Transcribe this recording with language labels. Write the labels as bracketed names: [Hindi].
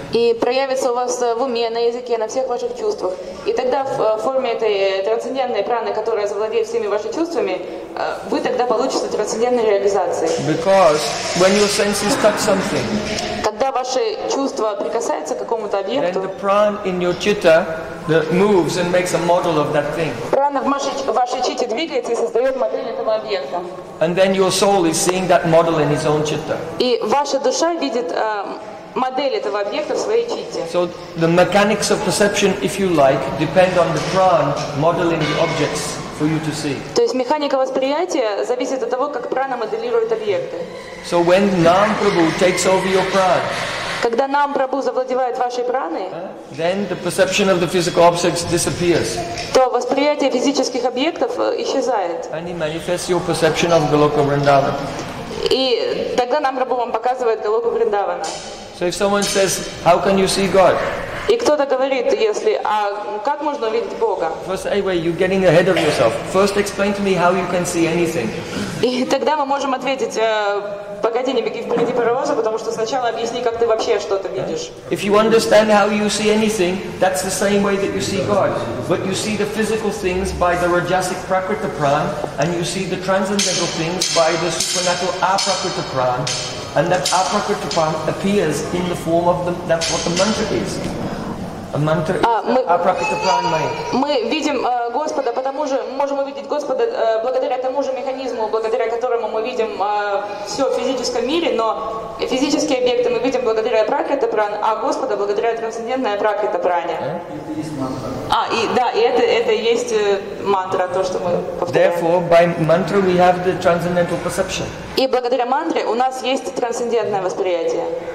[Russian] И проявится у вас в уме, на языке, на всех ваших чувствах. И тогда в форме этой трансцендентной праны, которая завладеет всеми вашими чувствами, вы тогда получите трансцендентную реализацию. [English] Because when your senses touch something, [Russian] когда ваше чувство прикасается к какому-то объекту, [English] then the prana in your chitta moves and makes a model of that thing. [Russian] Прана в вашей чите двигается и создает модель этого объекта. [English] And then your soul is seeing that model in his own chitta. [Russian] И ваша душа видит модель этого объекта в своей чите. [English] So the mechanics of perception, if you like, depend on the prana modeling the objects for you to see. [Russian] То есть механика восприятия зависит от того, как прана моделирует объекты. [English] So when Nam Prabhu takes over your prana, [Russian] когда Нам Прабху завладевает вашей праной, [English] then the perception of the physical objects disappears. [Russian] То восприятие физических объектов исчезает. [English] And he manifests your perception of Голока Вриндавана. [Russian] И тогда Нам Прабху вам показывает Голоку Вриндавана. [English] So if someone says, how can you see God? [Russian] И кто-то говорит, если, а как можно увидеть Бога? [English] First, anyway, you're getting ahead of yourself. First, explain to me how you can see anything. [Russian] И тогда мы можем ответить, погоди, не беги впереди паровоза, потому что сначала объясни, как ты вообще что-то видишь. [English] If you understand how you see anything, that's the same way that you see God. But you see the physical things by the rajasic prakriti prana, and you see the transcendental things by the supernatural aprakriti prana. And that aprakriti prana appears in the form of the, that's what the mantra is. A mantra is aprakriti prana mind. [Russian] Мы видим Господа, потому же можем увидеть Господа благодаря тому же механизму, благодаря которому мы видим все в физическом мире, но физические объекты мы видим благодаря апракрита пран, а Господа благодаря трансцендентной апракрита пране. И это и есть мантра, то, что мы повторяем. [English] Therefore, by mantra we have the transcendental perception. [Russian] И благодаря мантре у нас есть трансцендентное восприятие.